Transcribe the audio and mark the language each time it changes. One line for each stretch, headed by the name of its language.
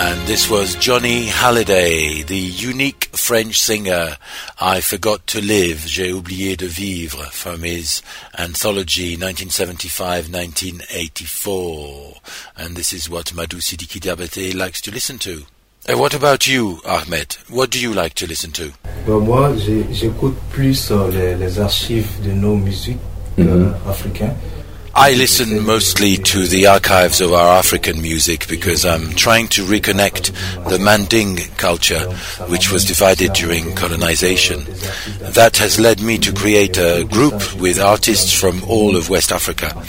English: This was Johnny Hallyday, the unique French singer I Forgot to Live, J'ai Oublié de Vivre, from his anthology 1975-1984. And this is what Madou Sidiki Diabaté likes to listen to. And what about you, Ahmed? What do you like to listen to? Well,
French: moi, j'écoute plus les archives de nos musiques africaines.
English: I listen mostly to the archives of our African music because I'm trying to reconnect the Manding culture, which was divided during colonization. That has led me to create a group with artists from all of West Africa.